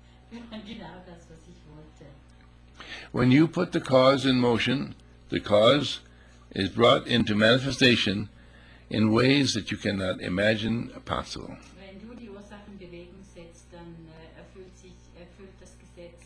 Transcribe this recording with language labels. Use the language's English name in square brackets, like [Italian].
[German] Genau das, was ich wollte. [English] When you put the cause in motion, the cause is brought into manifestation in ways that you cannot imagine possible. [German] Wenn du die Ursachen in Bewegung setzt, dann erfüllt das Gesetz.